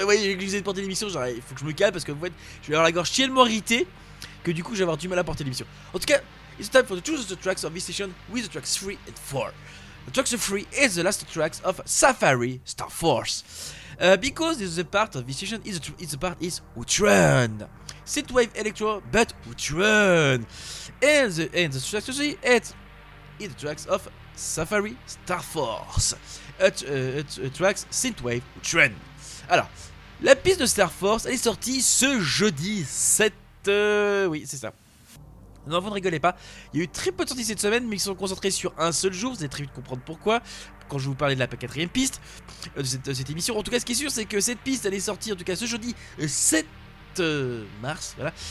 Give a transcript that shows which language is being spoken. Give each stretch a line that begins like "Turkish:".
French: Et ouais, j'ai glissé de porter l'émission, genre, il faut que je me calme parce que en fait, je vais avoir la gorge tellement irritée que du coup, je vais avoir du mal à porter l'émission. En tout cas,
English: it's time for the choose of the tracks of this session with the tracks 3 and 4. The tracks 3 is the last tracks of Safari Star Force. Because this is a part of this session, it's a part is Outrun. Synthwave Electro, but Outrun. And the track 3 is the tracks of Safari Star Force. Tracks Synthwave Outrun.
French: Alors, la piste de Star Force, elle est sortie ce jeudi 7. Oui, c'est ça. Non, vous ne rigolez pas. Il y a eu très peu de sorties cette semaine, mais ils sont concentrés sur un seul jour. Vous allez très vite comprendre pourquoi. Quand je vais vous parler de la quatrième piste de cette émission. En tout cas, ce qui est sûr, c'est que cette piste, elle est sortie, en tout cas, ce jeudi 7 mars. Voilà.